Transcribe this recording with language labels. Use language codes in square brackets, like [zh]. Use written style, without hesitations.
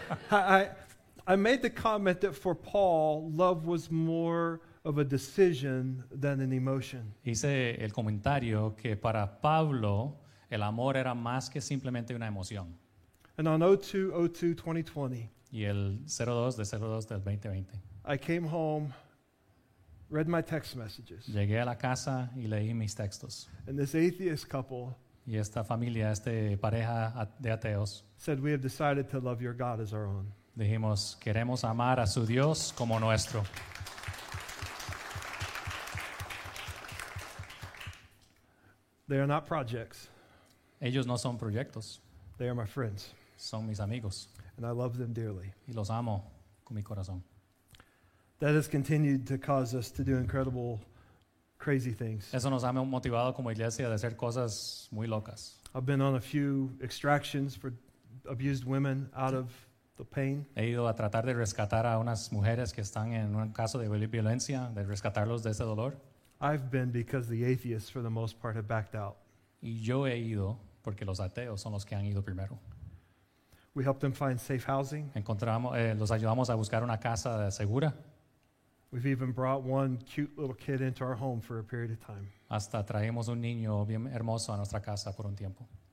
[en] I made the comment that for Paul, love was more of a decision than an emotion. [es] Hice el comentario que para Pablo, el amor era más que simplemente una emoción. [en] And on 02/02/2020, [es] y el 02/02/2020, [en] I came home, read my text messages. [es] Llegué a la casa y leí mis textos. [en] And this atheist couple, [es] y esta familia, esta pareja de ateos, [en] said we have decided to love your God as our own. [es] Dijimos, queremos amar a su Dios como nuestro. [en] They are not projects. [es] Ellos no son proyectos. [en] They are my friends. [es] Son mis amigos. [en] And I love them dearly. [es] Y los amo con mi corazón. [en] That has continued to cause us to do incredible, crazy things. [es] Eso nos ha motivado como iglesia de hacer cosas muy locas. [en] I've been on a few extractions for abused women out of the pain. [es] He ido a tratar de rescatar a unas mujeres que están en un caso de violencia, de rescatarlos de ese dolor. [en] I've been because the atheists, for the most part, have backed out. [es] Y yo he ido porque los ateos son los que han ido primero. [en] We helped them find safe housing. [es] Los ayudamos a buscar una casa segura. [en] We've even brought one cute little kid into our home for a period of time. [es] Hasta traemos un niño bien hermoso a nuestra casa por un tiempo.